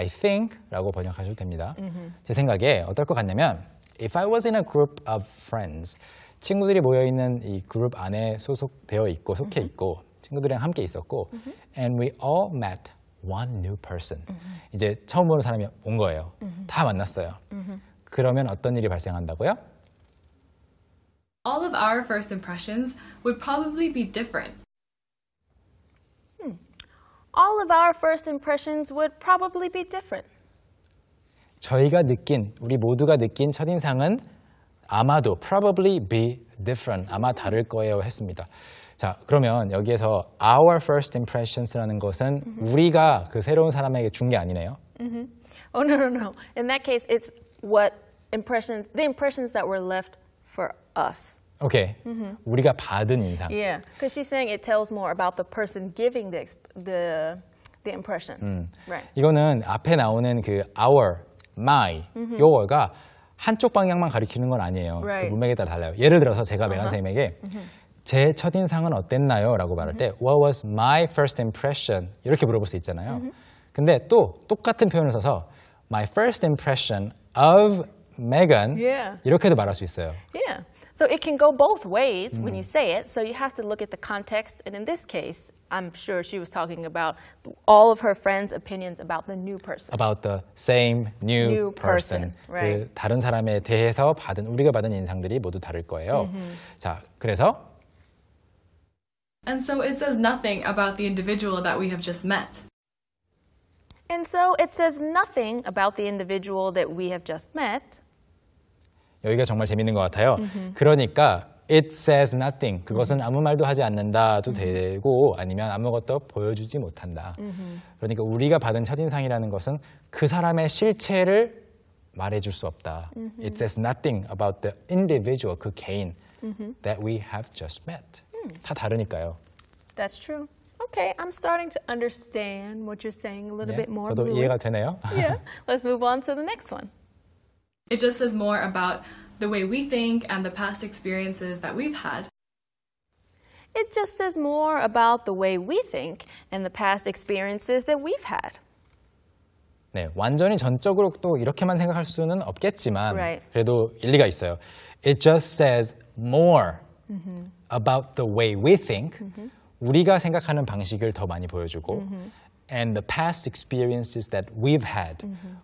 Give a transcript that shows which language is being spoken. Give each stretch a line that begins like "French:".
Korean: I think라고 번역하셔도 됩니다. Mm-hmm. 제 생각에 어떨 것 같냐면
English: If I was in a group of friends,
Korean: 친구들이 모여있는 이 그룹 안에 소속되어 있고 속해 mm-hmm. 있고 친구들이랑 함께 있었고
English: mm-hmm. And we all met one new person. Mm-hmm.
Korean: 이제 처음으로 사람이 온 거예요. Mm-hmm. 다 만났어요. Mm-hmm. 그러면 어떤 일이 발생한다고요?
English: All of our first impressions would probably be different. All of our first impressions would probably be different.
Korean: 저희가 느낀, 우리 모두가 느낀 첫인상은 아마도,
English: probably be different,
Korean: 아마 다를 거예요 했습니다. 자, 그러면 여기에서 our first impressions라는 것은 mm-hmm. 우리가 그 새로운 사람에게 준 게 아니네요.
English: Mm-hmm. Oh, no. In that case, it's what impressions, the impressions that were left for us.
Korean: Okay. Mm-hmm. 우리가 받은 인상.
English: Yeah, because she's saying it tells more about the person giving the impression. Right.
Korean: 이거는 앞에 나오는 그 our, my, mm-hmm. your가 한쪽 방향만 가리키는 건 아니에요.
English: Right.
Korean: 그 문맥에 따라 달라요. 예를 들어서 제가 uh-huh. 메간 선생님에게 제 첫인상은 어땠나요?
English: 라고 말할 때 uh-huh. What was my first impression?
Korean: 이렇게 물어볼 수 있잖아요. Uh-huh. 근데 또 똑같은 표현을 써서
English: My first impression of Megan yeah.
Korean: 이렇게도 말할 수 있어요.
English: Yeah. So it can go both ways when you say it. So you have to look at the context. And in this case, I'm sure she was talking about all of her friends' opinions about the new person. About the same new person. Person. Right.
Korean: 그 다른 사람에 대해서 받은 우리가 받은 인상들이 모두 다를 거예요. Mm-hmm. 자, 그래서
English: And so it says nothing about the individual that we have just met. And so it says nothing about the individual that we have just met.
Korean: 여기가 정말 재밌는 것 같아요. Mm-hmm. 그러니까
English: It says nothing.
Korean: 그것은 아무 말도 하지 않는다도 mm-hmm. 되고 아니면 아무것도 보여주지 못한다. Mm-hmm. 그러니까 우리가 받은 첫인상이라는 것은 그 사람의 실체를 말해줄 수 없다.
English: Mm-hmm. It says nothing about the individual,
Korean: 그 개인
English: mm-hmm. that we have just met. Mm.
Korean: 다 다르니까요.
English: That's true. Okay, I'm starting to understand what you're saying a little
Korean: 네,
English: bit more.
Korean: 저도
English: Lewis.
Korean: 이해가 되네요.
English: Yeah, let's move on to the next one. It just says more about the way we think and the past experiences that we've had. It just says more about the way we think and the past experiences that we've had.
Korean: 네, 완전히 전적으로 또 이렇게만 생각할 수는 없겠지만
English: right.
Korean: 그래도 일리가 있어요.
English: It just says more
Korean: mm-hmm.
English: about the way we think.
Korean: Mm-hmm. 우리가 생각하는 방식을 더 많이 보여주고 mm-hmm.
English: and the past experiences that we've had. Mm-hmm.